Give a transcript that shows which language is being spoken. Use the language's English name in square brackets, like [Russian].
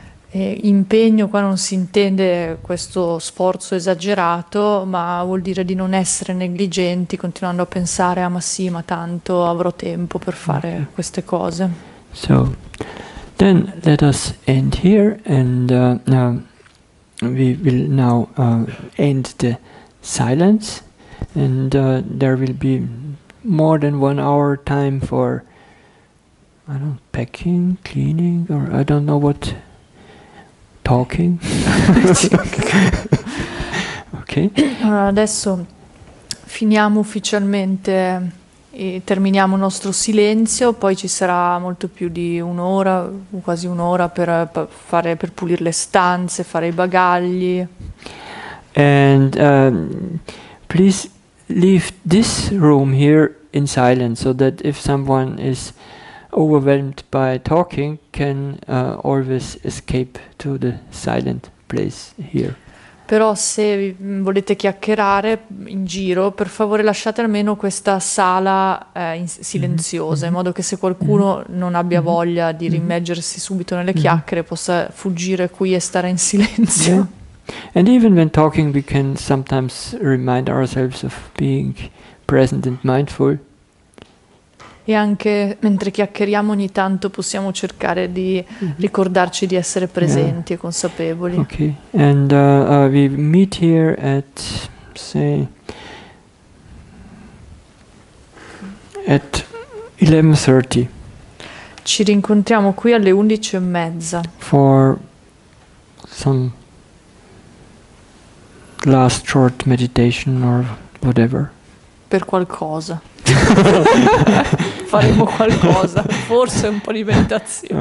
[Italian] Impegno qua non si intende questo sforzo esagerato, ma vuol dire di non essere negligenti, continuando a pensare, ah ma sì, ma tanto avrò tempo per fare queste cose. [English] So, then let us end here and we will now end the silence and there will be more than 1 hour time for I don't know, packing, cleaning or I don't know what talking. Okay. [Italian] Allora, adesso finiamo ufficialmente e terminiamo il nostro silenzio, poi ci sarà molto più di un'ora, quasi un'ora per pulire le stanze, fare i bagagli. [English] And please leave this room here in silence so that if someone is overwhelmed by talking, can always escape to the silent place here. [Italian] Però se volete chiacchierare in giro, per favore lasciate almeno questa sala silenziosa, in modo che se qualcuno non abbia voglia di rimmergersi subito nelle chiacchiere, possa fuggire qui e stare in silenzio. [English] And even when talking, we can sometimes remind ourselves of being present and mindful. [Italian] E anche mentre chiacchieriamo ogni tanto possiamo cercare di ricordarci di essere presenti e consapevoli. [English] Okay, and we meet here at, say, at 11:30 [Italian] Ci rincontriamo qui alle 11:30. [English] for some last short meditation or whatever. [Italian] per qualcosa. Faremo qualcosa, forse un po' di meditazione.